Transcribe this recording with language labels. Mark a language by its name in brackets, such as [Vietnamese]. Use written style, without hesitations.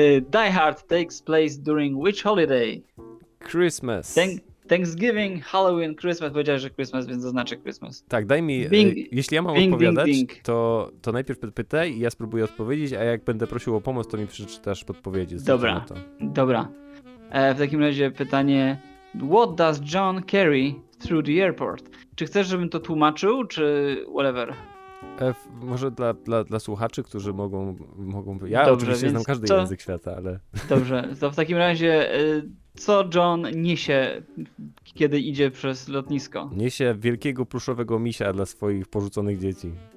[English] Die Hard takes place during which holiday? Christmas. Thanksgiving, Halloween, Christmas. [Polish] Powiedziałeś, że Christmas, więc zaznaczę Christmas. Tak, daj mi, bing, jeśli ja mam bing, odpowiadać, bing, bing. To najpierw pytaj i ja spróbuję odpowiedzieć, a jak będę prosił o pomoc, to mi przeczytasz podpowiedzi. Dobra, to. Dobra. W takim razie pytanie, [English] what does John carry through the airport? [Polish] Czy chcesz, żebym to tłumaczył, czy whatever? Może dla słuchaczy, którzy mogą... Ja dobrze, oczywiście znam każdy język świata, ale... Dobrze, to w takim razie, co John niesie, kiedy idzie przez lotnisko? Niesie wielkiego pluszowego misia dla swoich porzuconych dzieci.